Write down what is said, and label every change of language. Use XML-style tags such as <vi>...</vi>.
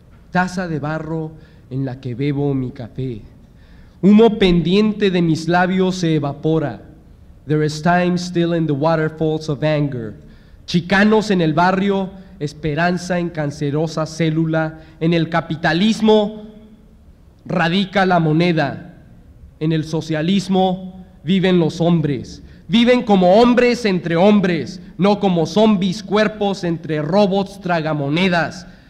<es>Taza de barro en la que bebo mi café. Humo pendiente de mis labios se evapora.</es> <en>There is time still in the waterfalls of anger.</en> <es>Chicanos en el barrio, esperanza en cancerosa célula. En el capitalismo radica la moneda. En el socialismo viven los hombres. Viven como hombres entre hombres, no como zombies, cuerpos entre robots tragamonedas.</es>